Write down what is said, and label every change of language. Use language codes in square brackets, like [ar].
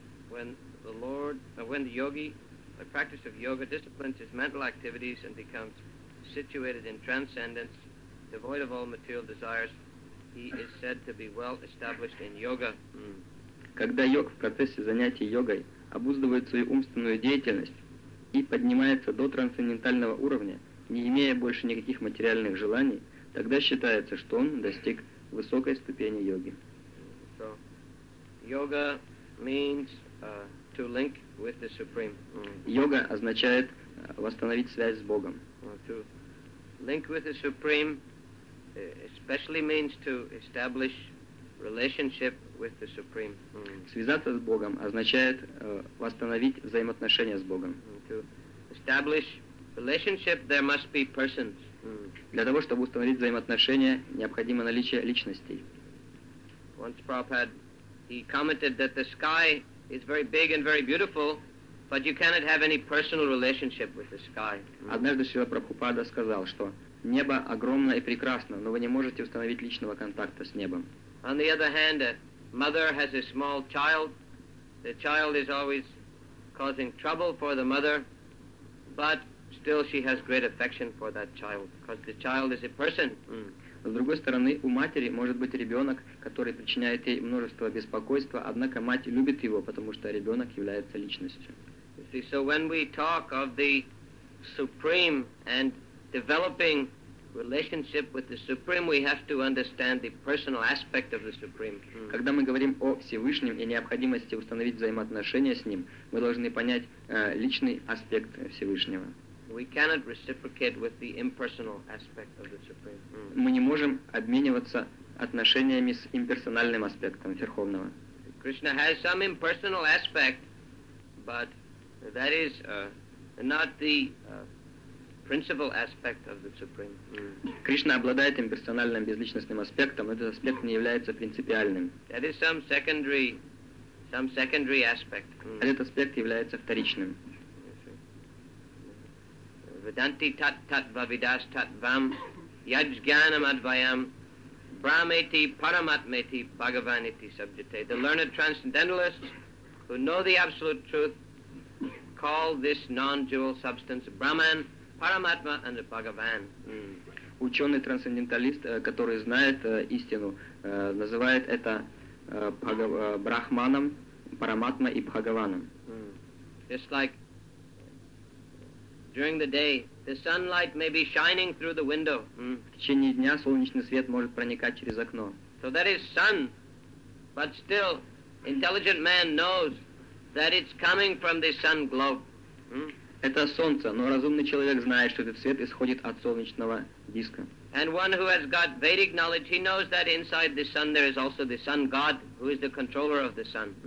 [en] When the yogi, the practice of yoga, disciplines his mental activities and becomes situated in transcendence, devoid of all material desires, he is said to be well established in yoga. [ru] Когда йог в процессе занятий йогой обуздывает свою умственную деятельность и поднимается до трансцендентального уровня, не имея больше никаких материальных желаний, тогда считается, что он достиг высокой ступени йоги. [en] So, yoga means to link with the supreme. [ru] Йога означает восстановить связь с Богом. [en] To link with the supreme especially means to establish relationship with the supreme. [ru] Связаться с Богом означает восстановить взаимоотношения с Богом. [en] To establish relationship, there must be persons. [ru] Для того, чтобы установить взаимоотношения, необходимо наличие личностей. [en] Once Prabhupada, he commented that the sky is very big and very beautiful, but you cannot have any personal relationship with the sky. [ru] Однажды Шрила Прабхупада сказал, что небо огромно и прекрасно, но вы не можете установить личного контакта с небом. [en] On the other hand, a mother has a small child. The child is always causing trouble for the mother, but still she has great affection for that child, because the child is a person. [ru] С другой стороны, у матери может быть ребенок, который причиняет ей множество беспокойства, однако мать любит его, потому что ребенок является личностью. [en] You see, so when we talk of the supreme and developing relationship with the supreme, we have to understand the personal aspect of the supreme. [ru] Когда мы говорим о Всевышнем и необходимости установить взаимоотношения с ним, мы должны понять личный аспект Всевышнего. [en] We cannot reciprocate with the impersonal aspect of the supreme. [ru] Мы не можем обмениваться отношениями с имперсональным аспектом Верховного. [en] Krishna has some impersonal aspect, but that is not the principal aspect of the supreme. [ru] Кришна обладает имперсональным безличностным аспектом, но этот аспект не является принципиальным. [en] That is some secondary aspect. [ru] Этот аспект является вторичным. [sa] Vedanti tat tatva vidas tatvam yajnanam advayam brahmeti paramatmeti bhagavaniti subjate. [en] The learned transcendentalists who know the absolute truth call this non-dual substance Brahman, Параматма и Бхагаван. [ru] Ученый-трансценденталист, который знает истину, называет это Брахманом, Параматма и Бхагаваном. [en] Just like during the day, the sunlight may be shining through the window. [ru] В течение дня солнечный свет может проникать через окно. [en] So that is sun, but still, intelligent man knows that it's coming from the sun globe. [ru] Это солнце, но разумный человек знает, что этот свет исходит от солнечного диска. [en] And one who has got Vedic knowledge, he knows that inside the sun there is also the sun god, who is the controller of the sun.